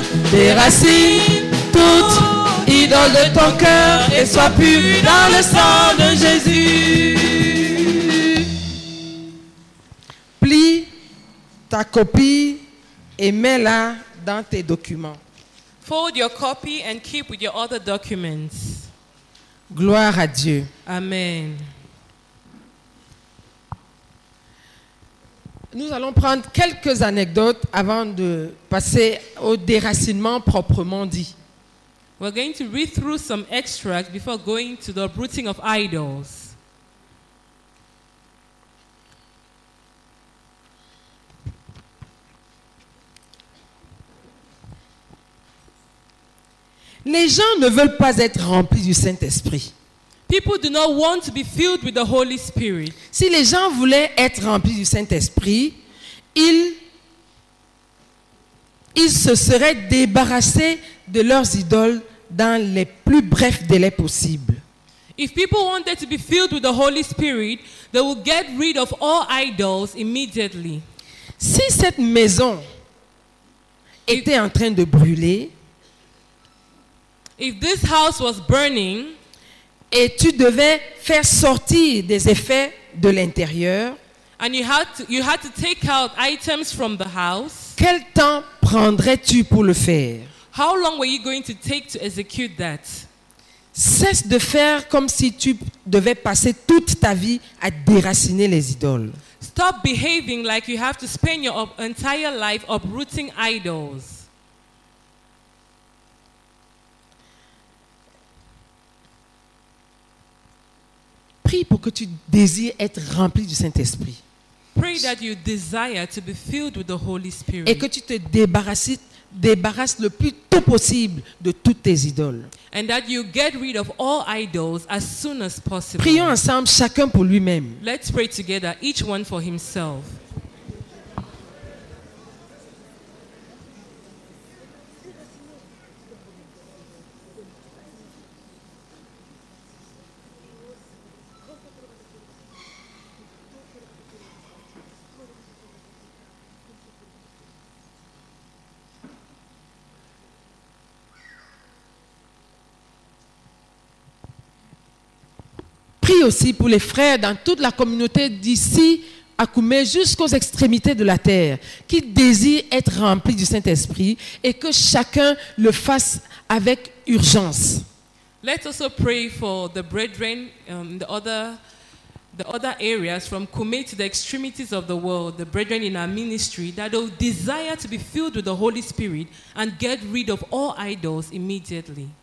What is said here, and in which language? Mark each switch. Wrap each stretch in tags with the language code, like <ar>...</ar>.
<fr>déracine toute idole de ton cœur et sois pur dans le sang de Jésus. Plie ta copie et mets-la dans tes documents.</fr> <en>Fold your copy and keep with your other documents.</en> <fr>Gloire à Dieu. Amen. Nous allons prendre quelques anecdotes avant de passer au déracinement proprement dit.</fr> <en>We're going to read through some extracts before going to the uprooting of idols.</en> <fr>Les gens ne veulent pas être remplis du Saint-Esprit.</fr> <en>People do not want to be filled with the Holy Spirit.</en> <fr>Si les gens voulaient être remplis du Saint-Esprit, ils se seraient débarrassés de leurs idoles dans les plus brefs délais possibles.</fr> <en>If people wanted to be filled with the Holy Spirit, they would get rid of all idols immediately.</en> <fr>Si cette maison était en train de brûler,</fr> <en>if this house was burning,</en> <fr>et tu devais faire sortir des effets de l'intérieur,</fr> <en>and you had to take out items from the house,</en> <fr>quel temps prendrais-tu pour le faire?</fr> <en>How long were you going to take to execute that?</en> <fr>Cesse de faire comme si tu devais passer toute ta vie à déraciner les idoles.</fr> <en>Stop behaving like you have to spend your entire life uprooting idols.</en> <fr>Prie pour que tu désires être rempli du Saint-Esprit.</fr> <en>Pray that you desire to be filled with the Holy Spirit.</en> <fr>Et que tu te débarrasses le plus tôt possible de toutes tes idoles.</fr> <en>And that you get rid of all idols as soon as possible.</en> <fr>Prions ensemble, chacun pour lui-même.</fr> <en>Let's pray together, each one for himself.</en> <fr>Prie aussi pour les frères dans toute la communauté d'ici à Koumé jusqu'aux extrémités de la terre qui désirent être remplis du Saint-Esprit et que chacun le fasse avec urgence.</fr> <en>Let us also pray for the brethren the other areas from Koumé to the extremities of the world, the brethren in our ministry that will desire to be filled with the Holy Spirit and get rid of all idols immediately.</en>